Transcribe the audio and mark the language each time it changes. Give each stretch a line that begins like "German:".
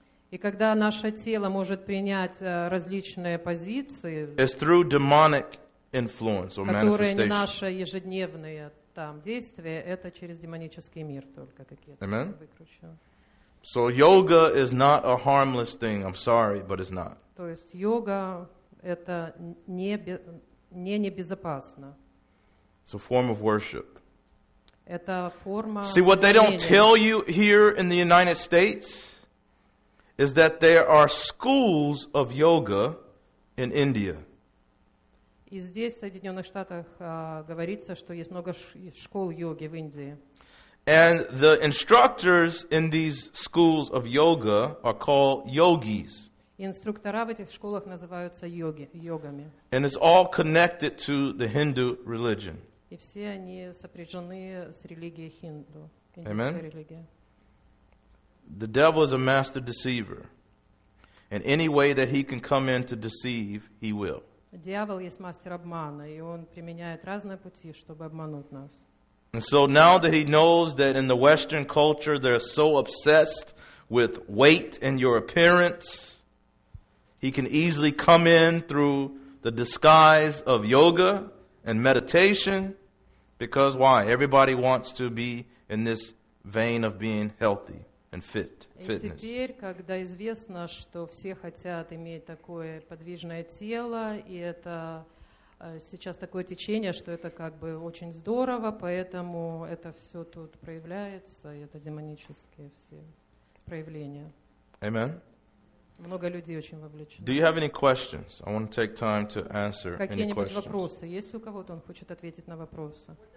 Russian: и когда наше тело может принять различные позиции,
English: is through demonic influence or manifestation.
Russian: Которые не наши ежедневные там действия, это через демонический мир только какие-то.
English: Amen. So yoga is not a harmless thing. I'm sorry, but it's not.
Russian: То есть йога это небезопасно.
English: It's a form of worship.
Russian: Это форма.
English: See, what they don't tell you here in the United States is that there are schools of yoga in India.
Russian: И здесь, в Соединенных Штатах, говорится, что есть много школ йоги в Индии.
English: And the instructors in these schools of yoga are called yogis.
Russian: Инструктора в этих школах называются йогами.
English: And it's all connected to the Hindu religion.
Russian: И все они сопряжены с религией хинду.
English: Amen. The devil is a master deceiver. And any way that he can come in to deceive, he will.
Russian: Дьявол есть мастер обмана, и он применяет разные пути, чтобы обмануть нас.
English: And so now that he knows that in the Western culture they're so obsessed with weight and your appearance, he can easily come in through the disguise of yoga and meditation. Because why? Everybody wants to be in this vein of being healthy and fit, fitness.
Russian: И теперь, когда известно, что все хотят иметь такое подвижное тело, и это сейчас такое течение, что это как бы очень здорово, поэтому это все тут проявляется, и это демонические все проявления.
English: Amen.
Russian: Много людей очень вовлечено.
English: Do you have any questions? I want to take time to answer any questions.
Russian: Какие-нибудь вопросы? Есть ли у кого-то, он хочет ответить на вопросы?